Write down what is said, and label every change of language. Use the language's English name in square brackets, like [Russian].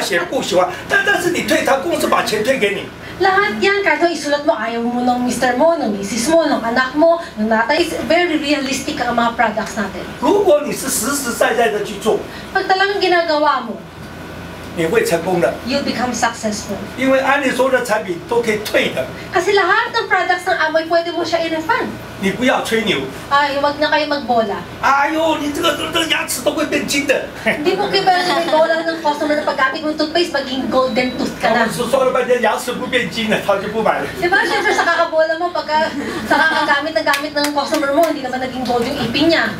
[Chinese] 你说我老婆不喜欢，我爸爸不喜欢，说这盘菜，他说你说颜色我不喜欢，我喜欢红的，他说这白的，我不喜欢，你只要写不喜欢，但是你退他公司把钱退给你。 [Filipino] Lahat yan, kahit ang isulat mo, ayaw mo ng Mr. Mo, ng Mrs. Mo, ng anak mo, ng nata, [English] is very realistic [Filipino] ang mga products natin. [Chinese] 如果你是实实在在的去做, [Filipino] pag talagang ginagawa mo, [Chinese] 你会成功的, [English] you'll become successful. [Chinese] 因为按理说的产品都可以退的, [Filipino] kasi lahat ng products ng Amway, pwede mo siya i-refund. [Chinese] 你不要吹牛, [Filipino] ay, huwag na kayo magbola. [Chinese] Ayaw, 你这个牙齿都会变金的. [Filipino] Hindi mo kaya may bola ng customer na pagkapit mo toothpaste, maging golden tooth ka na. [Chinese] 说了半天牙齿不变金的，他就不买了。 [Filipino] Diba, syempre sa kakabola mo, pagka, sa kakagamit na gamit ng customer mo, hindi naman naging gold yung ipin niya.